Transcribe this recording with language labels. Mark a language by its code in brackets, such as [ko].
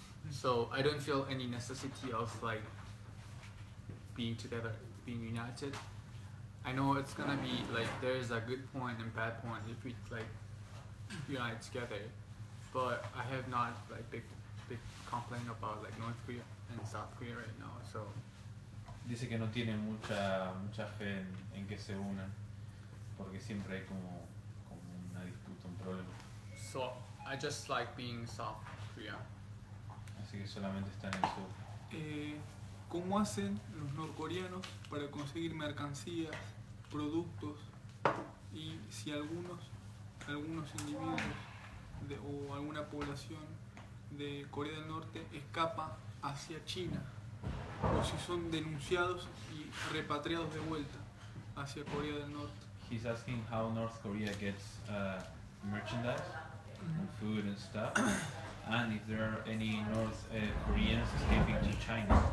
[en] So I don't feel any necessity of like being together. Being united, I know it's gonna be like there's a good point and bad point if we like unite together, but I have not like big complaint about like North Korea and South Korea right now. So. [es] Dice que no tiene mucha fe en que se unan porque siempre hay como una disputa, un problema. [en] So I just like being South Korea. [es] Así que solamente está en el sur. ¿Cómo hacen los norcoreanos para conseguir mercancías, productos, y si algunos individuos o alguna población de Corea del Norte escapa hacia China, o si son denunciados y repatriados de vuelta hacia Corea del Norte? [en] He's asking how North Korea gets merchandise, food and stuff, and if there are any North Koreans escaping to China.